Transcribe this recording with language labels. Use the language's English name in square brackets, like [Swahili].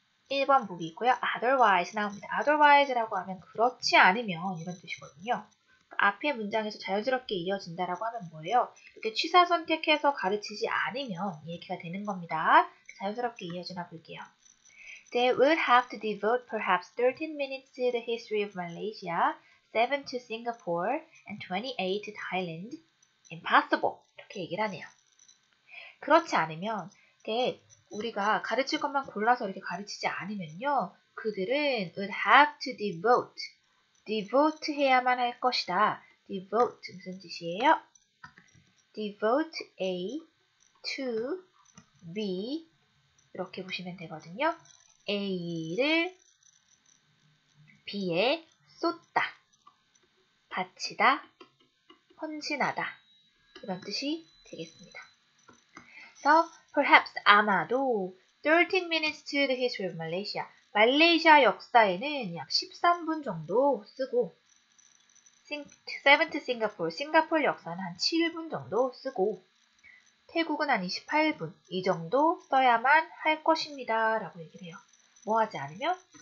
[Korean] 1번 보기고요. Otherwise 나옵니다. Otherwise라고 하면 그렇지 않으면 이런 뜻이거든요. 앞에 문장에서 자연스럽게 이어진다라고 하면 뭐예요? 이렇게 취사선택해서 가르치지 않으면 얘기가 되는 겁니다. 자연스럽게 이어지나 볼게요. [English] They would have to devote perhaps 13 minutes to the history of Malaysia. 7 to Singapore and 28 to Thailand. Impossible. [Korean] 이렇게 얘기를 하네요. 그렇지 않으면, 우리가 가르칠 것만 골라서 이렇게 가르치지 않으면요. 그들은 [English] would have to devote. [Korean] devote 해야만 할 것이다. devote 무슨 뜻이에요? devote A to B 이렇게 보시면 되거든요. A를 B에 쏟다, 바치다, 헌신하다 이런 뜻이 되겠습니다. [English] So, perhaps [Korean] 아마도 [English] 13 minutes to the history of Malaysia. [Korean] 말레이시아 역사에는 약 13분 정도 쓰고 7th Singapore, 싱가포르 역사는 한 7분 정도 쓰고 태국은 한 28분 이 정도 써야만 할 것입니다. 라고 얘기를 해요. 뭐 하지 않으면?